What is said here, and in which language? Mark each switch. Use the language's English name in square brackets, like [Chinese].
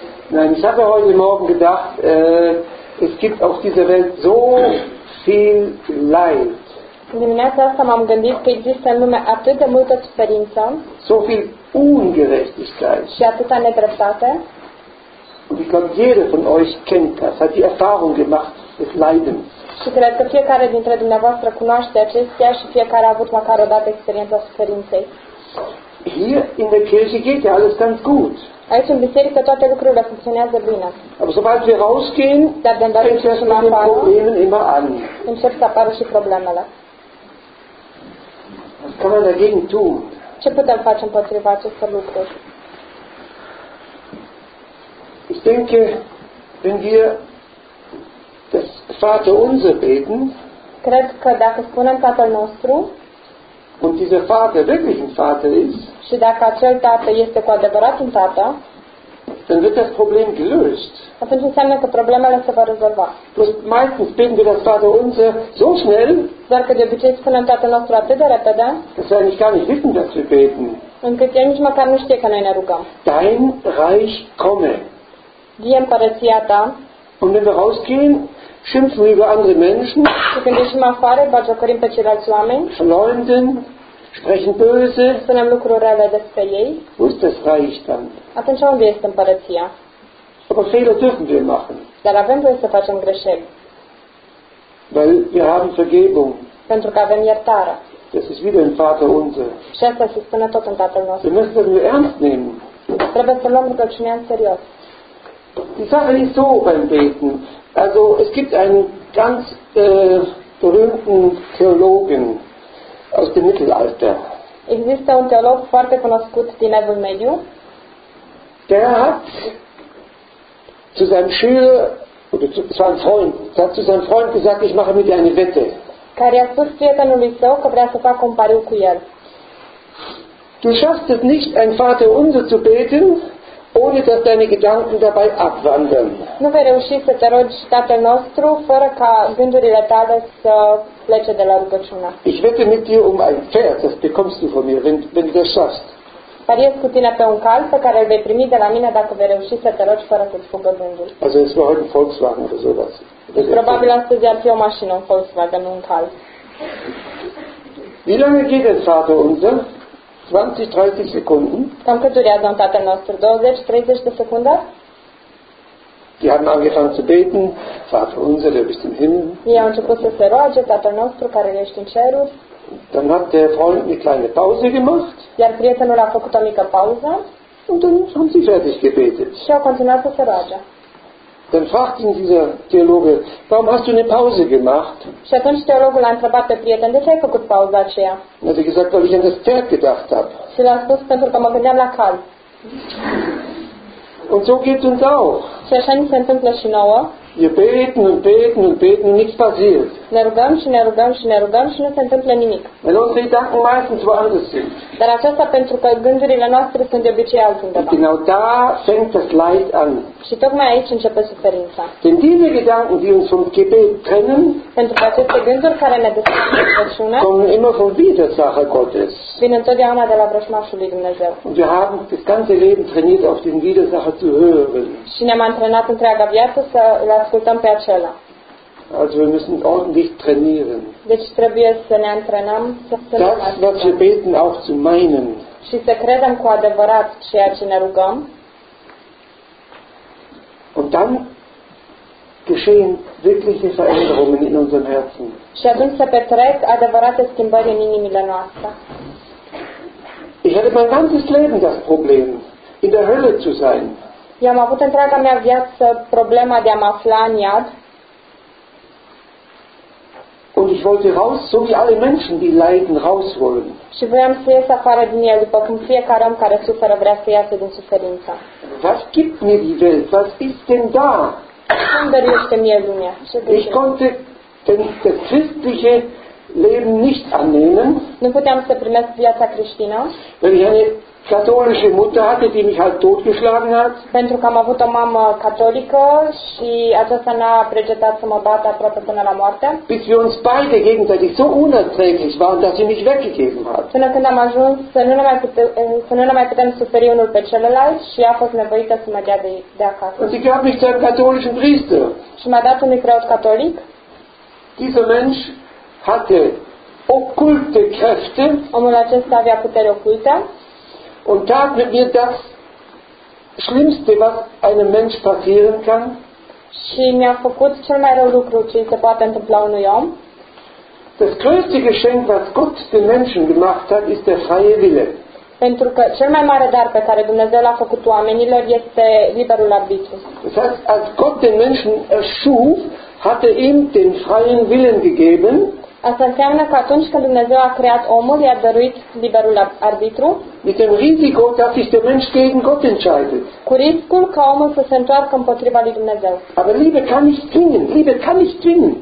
[German] Nein, ich habe heute Morgen gedacht, es gibt auf dieser Welt so viel Leid. [Romanian] Dimineața asta m-am gândit că există în lume atât de multă suferință, [German] so viel Ungerechtigkeit, [Romanian] și atâta nedreptate. [German] Und ich glaube, jeder von euch kennt das, hat die Erfahrung gemacht des Leidens. [Romanian] Și cred că fiecare dintre dumneavoastră cunoaște acestea și fiecare a avut măcar o dată experiența suferinței. [German] Hier in der Kirche geht ja alles ganz gut. [Romanian] Aici în biserică toate lucrurile funcționează bine. [German] Aber sobald wir rausgehen, [Romanian] dar de îndată ce ieșim afară, încep să apară și problemele. [German] Was kann man dagegen tun? [Romanian] Ce putem face împotriva acestor lucruri? [German] Ich denke, wenn wir das Vaterunser beten, [Romanian] cred că dacă spunem Tatăl nostru, [German] und dieser Vater wirklich ein Vater ist, [Romanian] și dacă acel tată este cu adevărat un tată, [German] dann wird das Problem gelöst. [Romanian] Atunci înseamnă că problemele se vor rezolva. [German] Plus, meistens beten wir das Vaterunser so schnell, [Romanian] dar că de obicei spunem Tatăl nostru atât de repede, [German] dass wir eigentlich gar nicht wissen, dass wir beten. [Romanian] Încât ea nici măcar nu știe că noi ne rugăm. [German] Dein Reich komme. [Romanian] Vie împărăția ta. [German] Und wenn wir rausgehen, schimpfen wir über andere Menschen. [Romanian] Și când ieșim afară, bagiocorim pe ceilalți oameni. [German] Verleumden, sprechen böse. [Romanian] Spunem lucruri rele despre ei. [German] Wo ist das Reich dann? [Romanian] Atunci unde este împărăția? [German] Aber Fehler dürfen wir machen. [Romanian] Dar avem voie să facem greșeli. [German] Weil wir haben Vergebung. [Romanian] Pentru că avem iertare. [German] Das ist wieder ein Vater unser. [Romanian] Și asta se spune tot în Tatăl nostru. [German] Wir müssen das nur ernst nehmen. [Romanian] Trebuie să luăm rugăciunea în serios. [German] Die Sache ist so beim Beten. Also es gibt einen ganz berühmten Theologen aus dem Mittelalter. [Romanian] Există un teolog foarte cunoscut din Evul Mediu. [German] der hat zu seinem Schüler, oder zu, es war ein Freund, der hat zu seinem Freund gesagt, ich mache mit dir eine Wette. [Romanian] Care a spus prietenului său că vrea să facă un pariu cu el. [German] Du schaffst es nicht, ein Vater unser zu beten, ohne dass deine Gedanken dabei abwandern. [Romanian] Nu vei reuși să te rogi Tatăl nostru fără ca gândurile tale să plece de la rugăciune. [German] Ich wette mit dir um ein Pferd, das bekommst du von mir, wenn du das schaffst. [Romanian] Pariez cu tine pe un cal pe care îl vei primi de la mine dacă vei reuși să te rogi fără să-ți fugă gândul. [German] Also es war heute ein Volkswagen oder sowas. [Romanian] Probabil astăzi ar fi o mașină, un Volkswagen, nu un cal. [German] Wie lange geht es, Vater unser? 20-30 Sekunden. [Romanian] Cam cât durează un Tatăl nostru? 20-30 de secunde? [German] Die haben angefangen zu beten, Vater unser, der bist im Himmel. [Romanian] Ei au început să se roage, Tatăl nostru, care ești în ceruri. [German] Dann hat der Freund eine kleine Pause gemacht. [Romanian] Iar prietenul a făcut o mică pauză. [German] Und dann haben sie fertig gebetet. [Romanian] Și au continuat să se roage. [German] Dann fragt ihn dieser Theologe, warum hast du eine Pause gemacht? [Romanian] Și atunci teologul a întrebat pe prieten, de ce ai făcut pauza aceea? [German] Und hat er gesagt, weil ich an das Pferd gedacht habe. [Romanian] Și l-a spus, pentru că mă gândeam la cal. [German] Und so geht's uns auch. [Romanian] Și așa ni se întâmplă și nouă. [German] Wir beten und beten und beten und nichts passiert. [Romanian] Ne rugăm și ne rugăm și ne rugăm și nu se întâmplă nimic. [German] Weil unsere Gedanken meistens woanders sind. [Romanian] Dar aceasta pentru că gândurile noastre sunt de obicei altundeva. [German] Und genau da fängt das Leid an. [Romanian] Și tocmai aici începe suferința. [German] Denn diese Gedanken, die uns vom Gebet trennen, [Romanian] pentru că aceste gânduri care ne despărțesc, [German] kommen immer von Widersacher Gottes. [Romanian] Vin întotdeauna de la vrășmașul lui Dumnezeu. [German] Und wir haben das ganze Leben trainiert, auf den Widersacher zu hören. [Romanian] Și ne-am antrenat întreaga viață să ascultăm pe acela. [German] Also wir müssen ordentlich trainieren. [Romanian] Deci trebuie să ne antrenăm să [German] das, was wir beten, auch zu meinen. [Romanian] Și să credem cu adevărat ceea ce ne rugăm. [German] Und dann geschehen wirkliche Veränderungen in unserem Herzen. [Romanian] Și atunci se petrec adevărate schimbări în inimile noastre. [German] Ich hatte mein ganzes Leben das Problem, in der Hölle zu sein. [Romanian] Eu am avut întreaga mea viață problema de a mă afla în iad. [German] Und ich wollte raus, so wie alle Menschen, die leiden, raus wollen. [Romanian] Și voiam să ies afară din el, după cum fiecare om care suferă vrea să iasă din suferință. [German] Was gibt mir die Welt? Was ist denn da? [Romanian] Cum dăruiește mie lumea? [German] Ich konnte das christliche Leben nicht annehmen. [Romanian] Nu puteam să primesc viața creștină. [German] Katholische Mutter hatte, die mich halt totgeschlagen hat. [Romanian] Pentru că am avut o mamă catolică și aceasta n-a pregetat să mă bată aproape până la moarte. [German] Bis wir uns beide gegenseitig so unerträglich waren, dass sie mich weggegeben hat. [Romanian] Până când am ajuns să nu mai putem suferi unul pe celălalt și a fost nevoită să mă dea de acasă. [German] Und sie gab mich zu einem katholischen Priester. [Romanian] Și m-a dat unui preot catolic. [German] Dieser Mensch hatte okkulte Kräfte. [Romanian] Omul acesta avea putere ocultă. [German] Und tat mit mir das Schlimmste, was einem Mensch passieren kann. [Romanian] Și mi-a făcut cel mai rău lucru ce se poate întâmpla unui om. [German] Das größte Geschenk, was Gott den Menschen gemacht hat, ist der freie Wille. [Romanian] Pentru că cel mai mare dar pe care Dumnezeu l-a făcut oamenilor este liberul arbitru. [German] Das heißt, als Gott den Menschen erschuf, hatte ihm den freien Willen gegeben. [Romanian] Asta înseamnă că atunci când Dumnezeu a creat omul, i-a dăruit liberul arbitru. [German] Mit dem Risiko, dass sich der Mensch gegen Gott entscheidet. [Romanian] Cu riscul ca omul să se întoarcă împotriva lui Dumnezeu. [German] Aber Liebe kann nicht zwingen. Liebe kann nicht zwingen.